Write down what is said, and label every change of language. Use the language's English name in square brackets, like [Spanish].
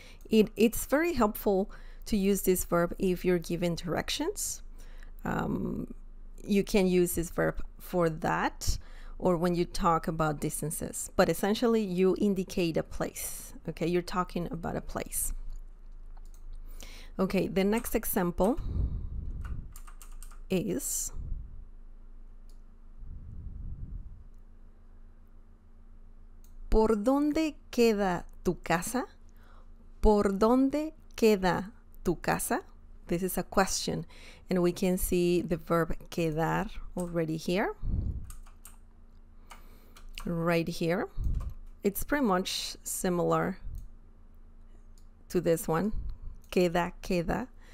[English] It's very helpful to use this verb if you're given directions. You can use this verb for that, or when you talk about distances. But essentially, you indicate a place. Okay, you're talking about a place. Okay, the next example is [Spanish] ¿por dónde queda tu casa? ¿Por dónde queda tu casa? [English] This is a question, and we can see the verb quedar already here. Right here. It's pretty much similar to this one. Queda.